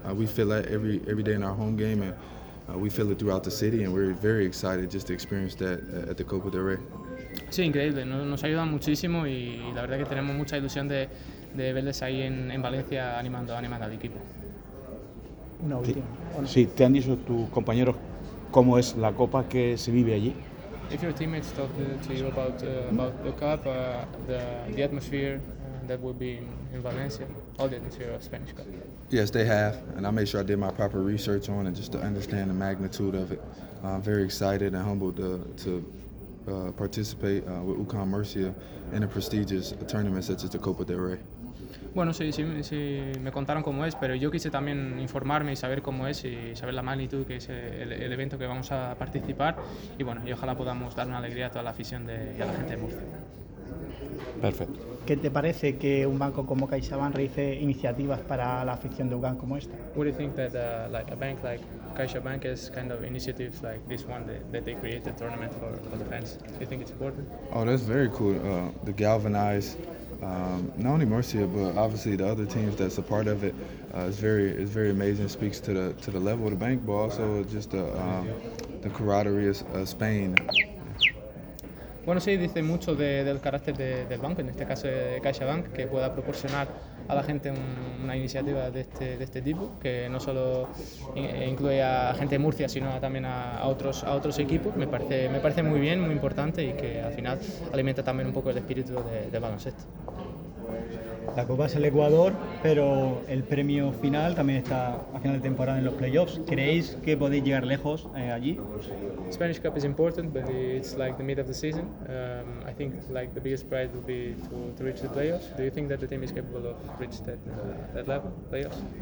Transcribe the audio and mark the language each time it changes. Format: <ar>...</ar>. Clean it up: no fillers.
<en>We feel that every day in our home game and we feel it throughout the city and we're very excited just to experience that at the Copa del Rey.</en> <es>Sí, increíble. Nos ayuda muchísimo y la verdad que tenemos mucha ilusión de verles ahí en Valencia animando al equipo. Una última. Sí, ¿te han dicho tus compañeros cómo es la Copa que se vive allí?</es> <en>If your teammates talk to you about the Cup, the atmosphere that will be in Valencia, all the atmosphere of Spanish Cup. Yes, they have, and I made sure I did my proper research on it just to understand the magnitude of it. I'm very excited and humbled to participate with UConn Murcia in a prestigious tournament such as the Copa del Rey.</en> <es>Bueno, sí, me contaron cómo es, pero yo quise también informarme y saber cómo es y saber la magnitud que es el evento que vamos a participar y bueno, y ojalá podamos dar una alegría a toda la afición y a la gente de Murcia. Perfecto. ¿Qué te parece que un banco como CaixaBank realice iniciativas para la afición de UConn como esta?</es> <en>What do you think that like a bank like CaixaBank is kind of initiatives like this one that they create a tournament for the fans? Do you think it's important? Oh, that's very cool. To galvanize not only Murcia but obviously the other teams that's a part of it. It's very amazing. It speaks to the level of the bank, but also just the camaraderie of Spain.</en> <es>Bueno, sí, dice mucho del carácter del banco, en este caso de CaixaBank, que pueda proporcionar a la gente una iniciativa de este tipo, que no solo incluye a gente de Murcia, sino también a otros equipos. Me parece muy bien, muy importante y que al final alimenta también un poco el espíritu de baloncesto. La Copa es el Ecuador, pero el premio final también está a final de temporada en los playoffs. ¿Creéis que podéis llegar lejos allí?</es> <en>Spanish Cup is important, but it's like the mid of the season. I think like the biggest prize will be to reach the playoffs. Do you think that the team is capable of reaching that level, playoffs?</en>